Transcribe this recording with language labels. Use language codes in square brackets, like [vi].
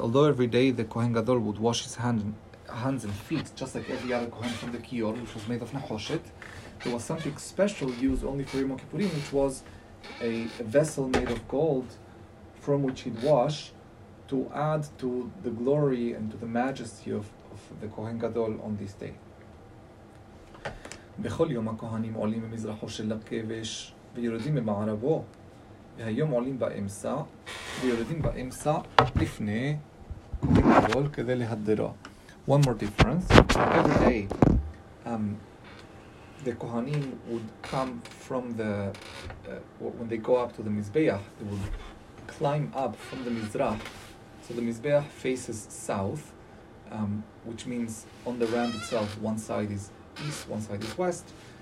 [en] Although every day the Kohen Gadol would wash his hands and feet, just like every other Kohen from the Kiyor, which was made of Nechoshet, there was something special used only for Yom Kippurim, which was a vessel made of gold from which he'd wash to add to the glory and to the majesty of the Kohen Gadol on this day. [he] בכל יום הכהנים עולים במזרחו של הכבש ויורדים במערבו, והיום עולים באמסע ויורדים באמסע לפני כהן גדול כדי להדרו. [en] One more difference. Every day, the Kohanim would come from the, when they go up to the Mizbeach, they would climb up from the Mizrah. So the Mizbeach faces south, which means on the ramp itself, one side is east, one side is west.